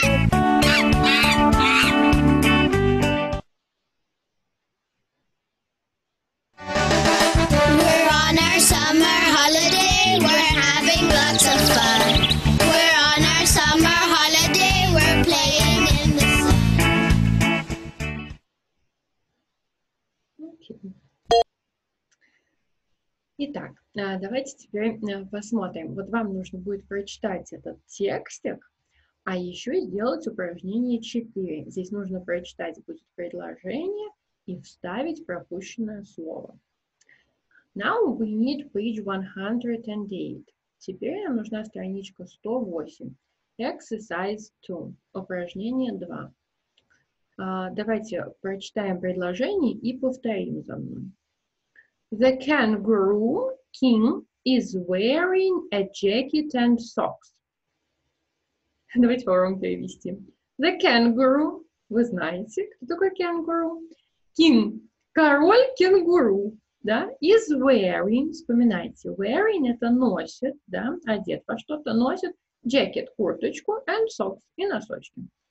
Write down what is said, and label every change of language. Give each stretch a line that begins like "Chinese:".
English: We're on our summer holiday, we're having lots of fun. We're on our summer holiday, we're playing in the sun.
Russian: Итак, давайте теперь посмотрим. Вот вам нужно будет прочитать этот текстик, а еще сделать упражнение 4. Здесь нужно прочитать будет предложение и вставить пропущенное слово.
English: Now we need page 108.
Russian: Теперь нам нужна страничка 108.
English: Exercise 2.
Russian: Упражнение 2. Давайте прочитаем предложение и повторим за мной.
English: The kangaroo king is wearing a jacket and socks.
Russian: Давайте попробуем перевести.
English: The kangaroo,
Russian: вы знаете, кто такой kangaroo? King, король кенгуру, да?
English: Is wearing,
Russian: вспоминайте, wearing это носит, да? Одет во что-то, носит jacket, курточку, and socks, и носочки.